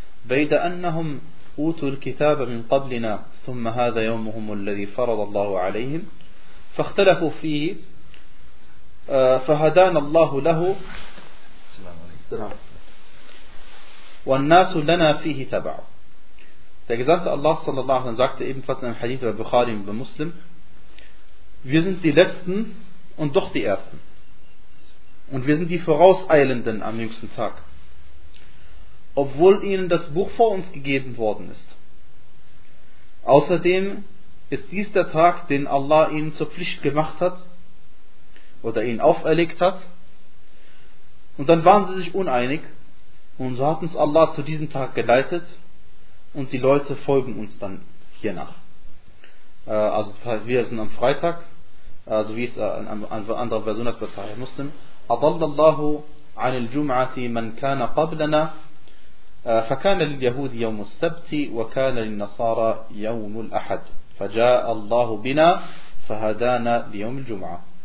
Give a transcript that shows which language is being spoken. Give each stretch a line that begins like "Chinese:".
Arabic: بيد أنهم أوتوا الكتاب من قبلنا ثم هذا يومهم الذي فرض الله عليهم فاختلفوا فيه فهدانا الله له والناس لنا فيه تبع.
German: Der Gesandte Allah sallallahu alaihi wa sallam sagte ebenfalls in einem Hadith bei Bukhari und bei Muslim: Wir sind die Letzten und doch die Ersten, und wir sind die Vorauseilenden am jüngsten Tag, obwohl ihnen das Buch vor uns gegeben worden ist. Außerdem ist dies der Tag, den Allah ihnen zur Pflicht gemacht hat oder ihnen auferlegt hat. Und dann waren sie sich uneinig, und so hat uns Allah zu diesem Tag geleitet, und die Leute folgen uns dann hiernach. Also wir sind am Freitag, also wie es an anderer Version hat, was Sahih Muslim:
Arabic: أضل الله عن الجمعة من كان قبلنا فكان لليهود يوم السبت وكان للنصارى يوم الأحد فجاء الله بنا فهدانا ليوم الجمعة.